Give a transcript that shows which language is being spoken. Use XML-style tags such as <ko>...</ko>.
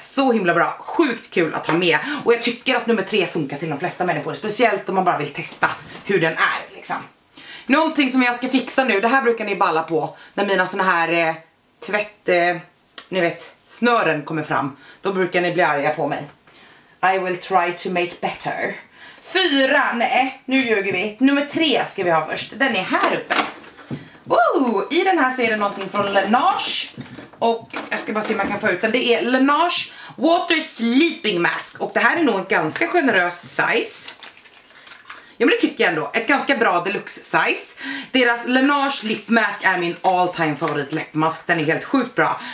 <sv>Så himla bra, sjukt kul att ha med. Och jag tycker att nummer 3 funkar till de flesta människor, speciellt om man bara vill testa hur den är liksom. Någonting som jag ska fixa nu, det här brukar ni balla på när mina såna här tvätt, ni vet, snören kommer fram. Då brukar ni bli arga på mig.</sv> <en>I will try to make better.</en> <sv>4, nej, nu ljuger vi. Nummer 3 ska vi ha först. Den är här uppe. Oh, i den här ser det någonting från Laneige. Och jag ska bara se om jag kan få ut den. Det är Laneige Water Sleeping Mask. Och det här är nog en ganska generös size. Ja, men det tycker jag ändå. Ett ganska bra</sv> <en>deluxe size.</en> <sv>Deras Laneige Lip Mask är min</sv> <en>all time</en> <sv>favorit läppmask. Den är helt sjukt bra.</sv>